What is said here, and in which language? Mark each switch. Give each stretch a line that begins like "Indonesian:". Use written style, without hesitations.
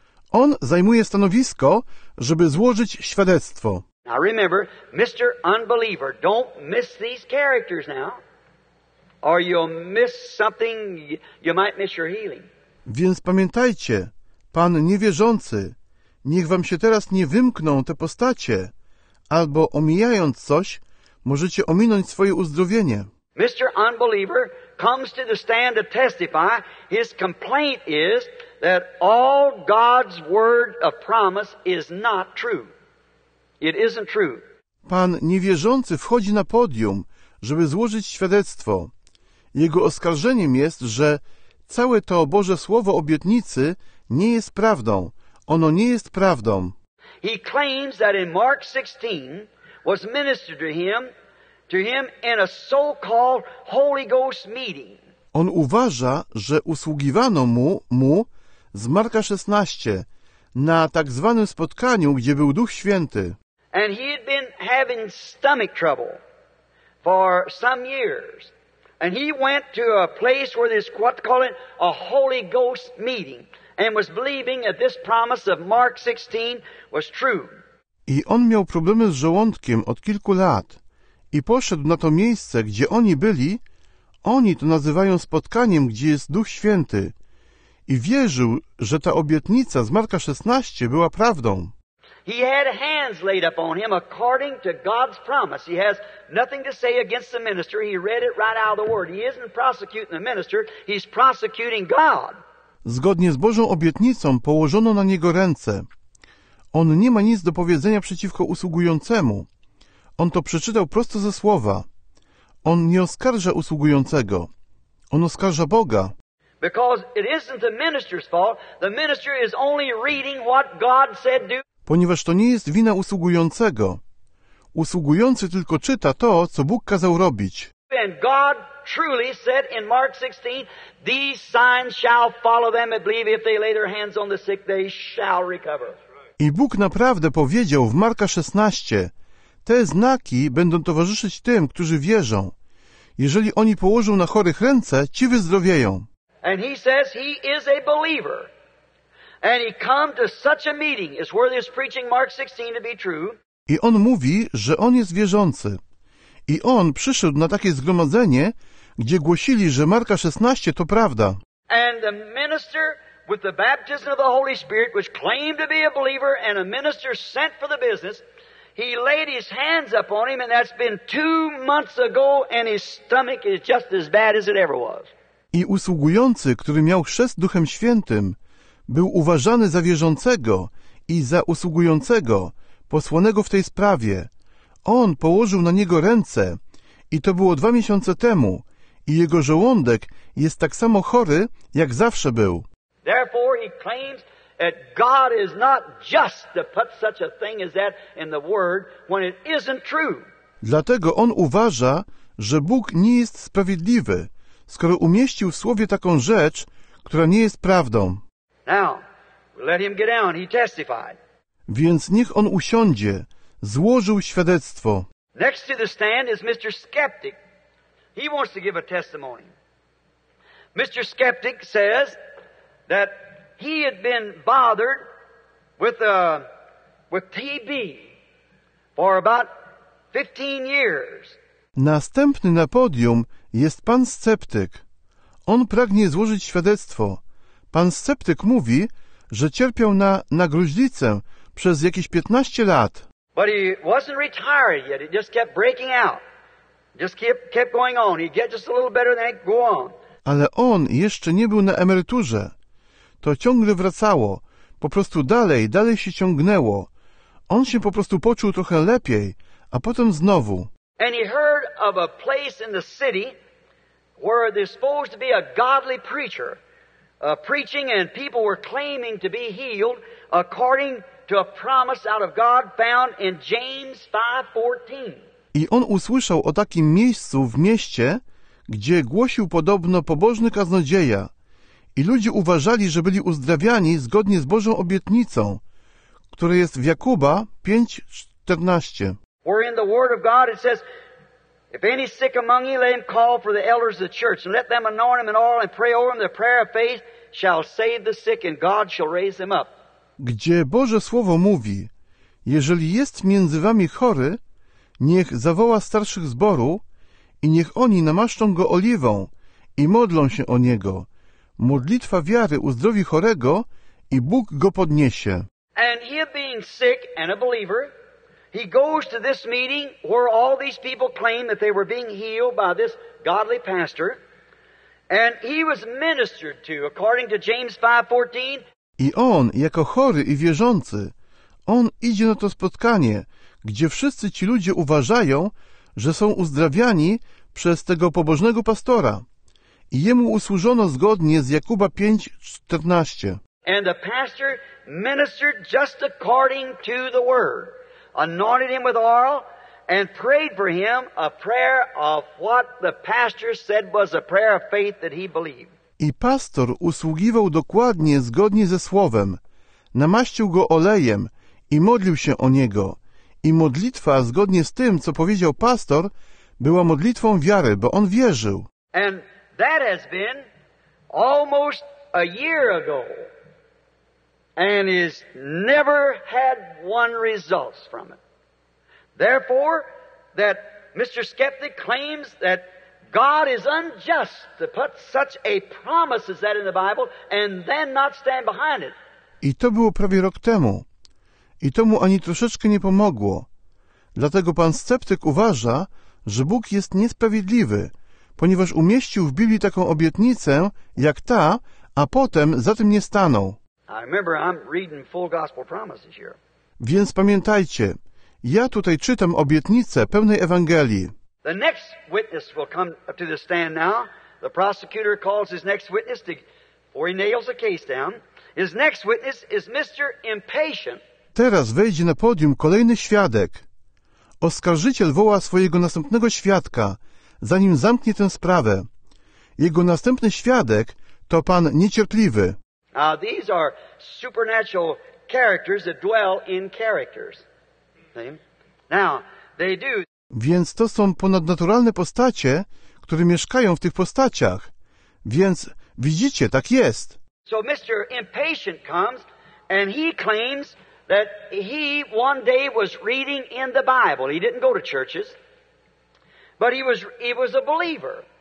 Polish: On zajmuje stanowisko, żeby złożyć świadectwo.
English: Now remember, Mr. Unbeliever, don't miss these characters now, or you'll miss something, you might miss your healing.
Polish: Więc pamiętajcie, pan niewierzący, niech wam się teraz nie wymkną te postacie, albo omijając coś, możecie ominąć swoje uzdrowienie.
English: Mr. Unbeliever comes to the stand to testify. His complaint is that all God's word of promise is not true. It isn't true.
Polish: Pan niewierzący wchodzi na podium, żeby złożyć świadectwo. Jego oskarżeniem jest, że całe to Boże słowo obietnicy nie jest prawdą. Ono nie jest prawdą.
English: He claims that in Mark 16 was ministered to him in a so-called Holy Ghost meeting.
Polish: On uważa, że usługiwano mu z Marka 16 na tak zwanym spotkaniu, gdzie był Duch Święty.
English: And he had been having stomach trouble for some years. And he went to a place where there's what they call it a Holy Ghost meeting and was believing that this promise of Mark 16 was true.
Polish: I on miał problemy z żołądkiem od kilku lat i poszedł na to miejsce, gdzie oni byli. Oni to nazywają spotkaniem, gdzie jest Duch Święty. I wierzył, że ta obietnica z Marka 16 była prawdą.
English: He had hands laid upon him according to God's promise. He has nothing to say against the minister. He read it right out of the word. He isn't prosecuting the minister. He's prosecuting God.
Polish: Zgodnie z Bożą obietnicą położono na niego ręce. On nie ma nic do powiedzenia przeciwko usługującemu. On to przeczytał prosto ze słowa. On nie oskarża usługującego. On oskarża Boga.
English: Because it isn't the minister's fault. The minister is only reading what God said do.
Polish: Ponieważ to nie jest wina usługującego. Usługujący tylko czyta to, co Bóg kazał robić.
English: And God truly said in Mark 16, these signs shall follow them that believe, if they lay their hands on the sick, they shall recover.
Polish: I Bóg naprawdę powiedział w Marka 16, te znaki będą towarzyszyć tym, którzy wierzą. Jeżeli oni położą na chorych ręce, ci wyzdrowieją.
English: And he says he is a believer. And he come to such a meeting is where this preaching Mark 16 to be true.
Polish: I on mówi, że on jest wierzący. I on przyszedł na takie zgromadzenie, gdzie głosili, że Marka 16 to prawda.
English: And the minister with the baptism of the Holy Spirit, which claimed to be a believer and a minister sent for the business, he laid his hands upon him, and that's been 2 months ago, and his stomach is just as bad as it ever was.
Polish: I usługujący, który miał chrzest Duchem Świętym, był uważany za wierzącego i za usługującego, posłanego w tej sprawie. On położył na niego ręce i to było 2 miesiące temu i jego żołądek jest tak samo chory, jak zawsze był.
English: Therefore he claims that God is not just to put such a thing as that in the word when it isn't true.
Polish: Dlatego on uważa, że Bóg nie jest sprawiedliwy, skoro umieścił w słowie taką rzecz, która nie jest prawdą.
English: Now, let him get down. He testified.
Polish: Więc niech on usiądzie. Złożył świadectwo.
English: Next to the stand is Mr. Skeptic. He wants to give a testimony. Mr. Skeptic says that he had been bothered with a with TB for about 15 years.
Polish: Następny na podium jest pan sceptyk. On pragnie złożyć świadectwo. Pan sceptyk mówi, że cierpiał na gruźlicę przez jakieś 15 lat.
English: But he wasn't retired yet. It just kept breaking out. Just kept going on. He'd get just a little better and go on.
Polish: Ale on jeszcze nie był na emeryturze. To ciągle wracało. Po prostu dalej się ciągnęło. On się po prostu poczuł trochę lepiej, a potem znowu.
English: And he heard of a place in the city where there's supposed to be a godly preacher preaching, and people were claiming to be healed according to a promise out of God found in James 5:14.
Polish: I on usłyszał o takim miejscu w mieście, gdzie głosił podobno pobożny kaznodzieja. I ludzie uważali, że byli uzdrawiani zgodnie z Bożą obietnicą, która jest w Jakuba 5:14.
English: Where in the word of God it says, if any sick among you, let him call for the elders of the church, and let them anoint him in oil and pray over him, the prayer of faith shall save the sick, and God shall raise him up.
Polish: Gdzie Boże Słowo mówi, jeżeli jest między wami chory, niech zawoła starszych zboru i niech oni namaszczą go oliwą i modlą się o niego. Modlitwa wiary uzdrowi chorego i Bóg go podniesie.
English: And he being sick and a believer, he goes to this meeting where all these people claim that they were being healed by this godly pastor, and he was ministered to according to James 5:14.
Polish: I on, jako chory i wierzący, on idzie na to spotkanie, gdzie wszyscy ci ludzie uważają, że są uzdrawiani przez tego pobożnego pastora. I jemu usłużono zgodnie z Jakuba 5:14.
English: And the pastor ministered just according to the word, anointed him with oil, and prayed for him a prayer of what the pastor said was a prayer of faith that he believed.
Polish: I pastor usługiwał dokładnie zgodnie ze słowem. Namaścił go olejem i modlił się o niego. I modlitwa zgodnie z tym, co powiedział pastor, była modlitwą wiary, bo on wierzył.
English: And that has been almost a year ago and has never had one result from it. Therefore, that Mr. Skeptic claims that God is unjust to put such a promise as that in the Bible and then not stand behind it.
Polish: I to było prawie rok temu. I to mu ani troszeczkę nie pomogło. Dlatego pan sceptyk uważa, że Bóg jest niesprawiedliwy, ponieważ umieścił w Biblii taką obietnicę jak ta, a potem za tym nie stanął.
English: I remember, I'm reading full gospel promises here.
Polish: Więc pamiętajcie, ja tutaj czytam obietnicę pełnej Ewangelii.
English: The next witness will come to the stand now. The prosecutor calls his next witness before he nails the case down. His next witness is Mr. Impatient.
Polish: Teraz wejdzie na podium kolejny świadek. Oskarżyciel woła swojego następnego świadka, zanim zamknie tę sprawę. Jego następny świadek to pan niecierpliwy.
English: Now, these are supernatural characters that dwell in characters. Now, they do.
Polish: Więc to są ponadnaturalne postacie, które mieszkają w tych postaciach. Więc widzicie, tak jest.
English: So Mr. Impatient comes and he claims that he one day was reading in the Bible. He didn't go to churches, but he was a believer.